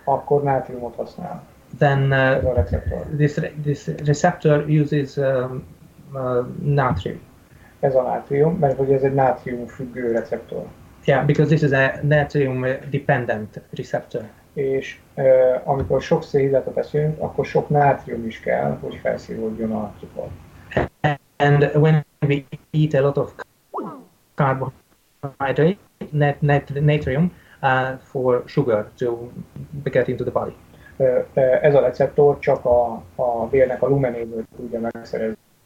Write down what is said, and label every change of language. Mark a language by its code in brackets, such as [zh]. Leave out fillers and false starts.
[hu] akkor nátriumot használ. [en] Then this receptor uses natrium. [hu] Ez a nátrium, mert hogy ez egy nátrium függő receptor. [en] Yeah, because this is a natrium dependent receptor. [hu] És amikor sok szénhidrátot eszünk, akkor sok nátrium is kell, hogy felszívódjon a cukor. [en] And when we eat a lot of carbohydrate, natrium for sugar to get into the body. [hu] Ez a receptor csak a vérnek a lumenéből tudja megszerezni.